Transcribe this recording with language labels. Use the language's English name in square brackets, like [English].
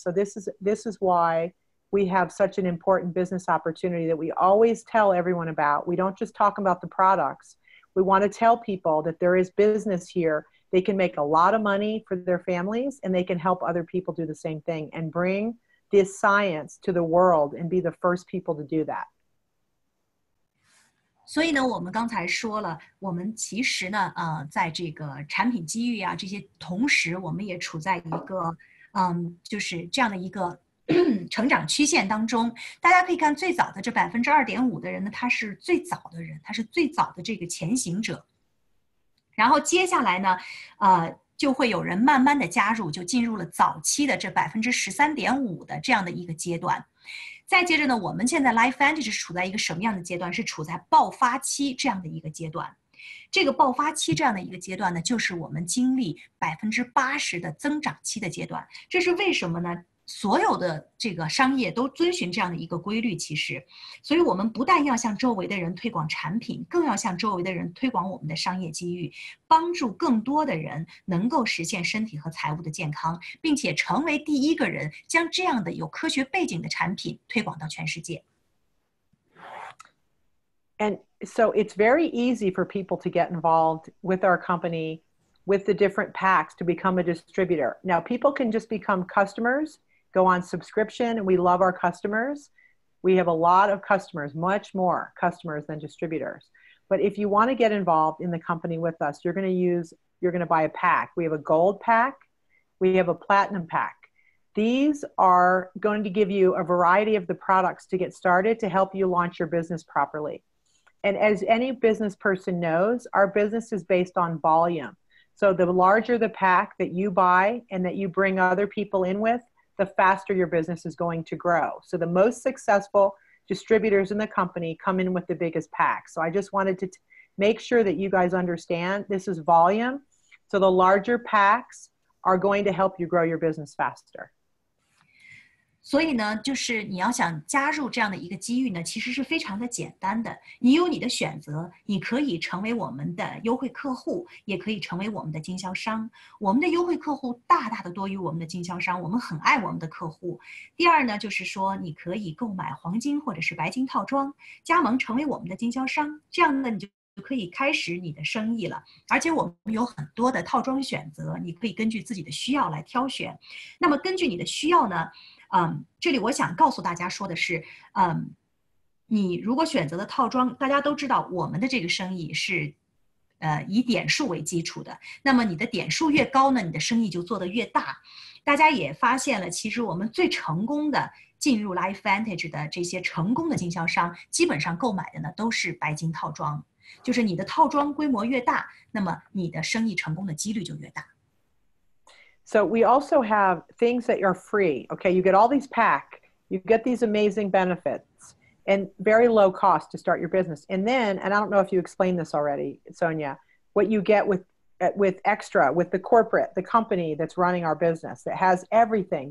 [English] So this is why we have such an important business opportunity that we always tell everyone about. We don't just talk about the products. We want to tell people that there is business here. They can make a lot of money for their families, and they can help other people do the same thing and bring this science to the world and be the first people to do that. [Chinese] 所以呢，我们刚才说了，我们其实呢，在这个产品机遇啊这些同时，我们也处在一个，就是这样的一个成长曲线当中。大家可以看，最早的这 2.5% 的人呢，他是最早的人，他是最早的这个前行者。然后接下来呢，就会有人慢慢的加入，就进入了早期的这 13.5% 的这样的一个阶段。再接着呢，我们现在 Lifevantage 是处在一个什么样的阶段？是处在爆发期这样的一个阶段。这个爆发期这样的一个阶段呢，就是我们经历 80% 的增长期的阶段。这是为什么呢？所有的这个商业都遵循这样的一个规律，其实，所以我们不但要向周围的人推广产品，更要向周围的人推广我们的商业机遇，帮助更多的人能够实现身体和财务的健康，并且成为第一个人将这样的有科学背景的产品推广到全世界。 [English] And so it's very easy for people to get involved with our company. With the different packs to become a distributor. Now people can just become customers, go on subscription, and we love our customers. We have a lot of customers, much more customers than distributors. But if you want to get involved in the company with us, you're going to buy a pack. We have a gold pack, we have a platinum pack. These are going to give you a variety of the products to get started to help you launch your business properly. And as any business person knows, our business is based on volume. So the larger the pack that you buy and that you bring other people in with, the faster your business is going to grow. So the most successful distributors in the company come in with the biggest pack. So I just wanted to make sure that you guys understand this is volume. So the larger packs are going to help you grow your business faster. [Chinese] 所以呢，就是你要想加入这样的一个机遇呢，其实是非常的简单的。你有你的选择，你可以成为我们的优惠客户，也可以成为我们的经销商。我们的优惠客户大大的多于我们的经销商，我们很爱我们的客户。第二呢，就是说你可以购买黄金或者是白金套装，加盟成为我们的经销商，这样呢你就可以开始你的生意了，而且我们有很多的套装选择，你可以根据自己的需要来挑选。那么根据你的需要呢，这里我想告诉大家说的是，你如果选择的套装，大家都知道我们的这个生意是，以点数为基础的。那么你的点数越高呢，你的生意就做得越大。大家也发现了，其实我们最成功的进入 Lifevantage 的这些成功的经销商，基本上购买的呢都是白金套装。就是你的套装规模越大，那么你的生意成功的几率就越大。 [English] So we also have things that are free. Okay, you get all these pack, you get these amazing benefits and very low cost to start your business. And then, and I don't know if you explained this already, Sonia, what you get with extra, with the corporate, the company that's running our business that has everything.